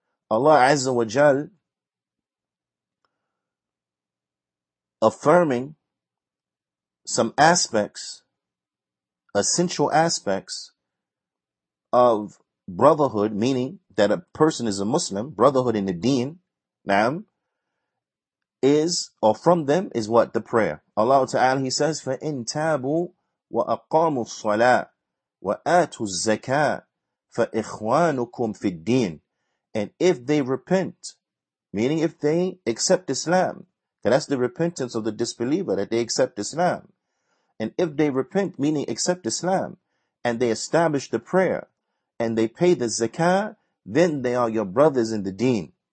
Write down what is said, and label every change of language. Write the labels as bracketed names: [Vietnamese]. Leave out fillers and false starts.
[English] Allah Azza wa Jal affirming some aspects, essential aspects of brotherhood, meaning that a person is a Muslim, brotherhood in the deen, na'am, is, or from them, is what? The prayer. [Arabic] Allah Ta'ala, he says, فَإِن تَابُوا وَأَقَامُوا الصَّلَاةَ وَآتُوا الزَّكَاةَ فَإِخْوَانُكُمْ فِي الدِّينِ. [English] And if they repent, meaning if they accept Islam, that's the repentance of the disbeliever, that they accept Islam. And if they repent, meaning accept Islam, and they establish the prayer, and they pay the zakah, then they are your brothers in the deen.